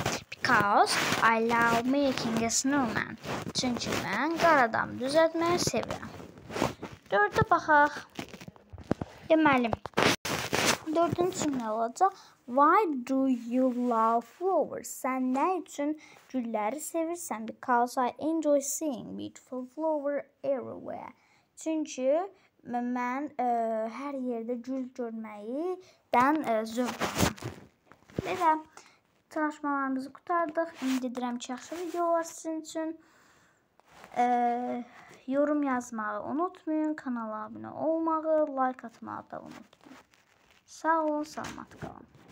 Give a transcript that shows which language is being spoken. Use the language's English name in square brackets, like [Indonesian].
[English] Because I love making a snowman. [Azerbaijani] Çünki mən qar adamı düzəltməyi sevirəm. Dördə baxaq. Deməli, dördüncü cümlə olacaq. [English] Why do you love flowers? [Azerbaijani] Sən nə üçün gülləri sevirsən? [English] Because I enjoy seeing beautiful flowers everywhere. [Azerbaijani] Çünki mən hər yerdə gül görməkdən zövq alıram. Belə, çalışmalarımızı qurtardıq. İndi edirəm ki, yaxşı videolar sizin üçün. Yorum yazmağı unutmayın. Kanala abunə olmağı, like atmağı da unutmayın. Sağ olun, salamat qalın.